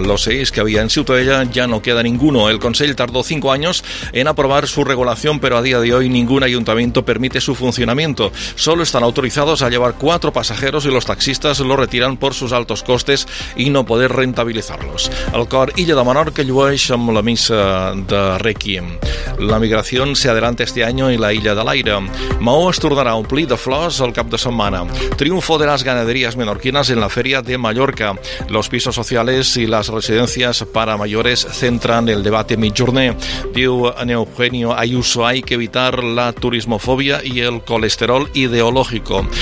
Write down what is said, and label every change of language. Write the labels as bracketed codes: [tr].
[es] Los 6 que había en Ciutadella ya no queda ninguno. El Consell tardó 5 años en aprobar su regulación, pero a día de hoy ningún ayuntamiento permite su funcionamiento. Solo están autorizados a llevar 4 pasajeros y los taxistas lo retiran por sus altos costes y no poder rentabilizarlos. [ca] El cor Illa de Menorca llueix amb la missa de Requiem. [es] La migración se adelanta este año en la Illa de l'Aire. [ca] Maó es tornarà a omplir de flors el cap de setmana. [es] Triunfo de las ganaderías menorquinas en la Feria de Mallorca. Los pisos sociales y las residencias para mayores centran el debate mid-journée. [ca] Diu en [es] Eugenio Ayuso, hay que evitar la turismofobia y el colesterol ideológico.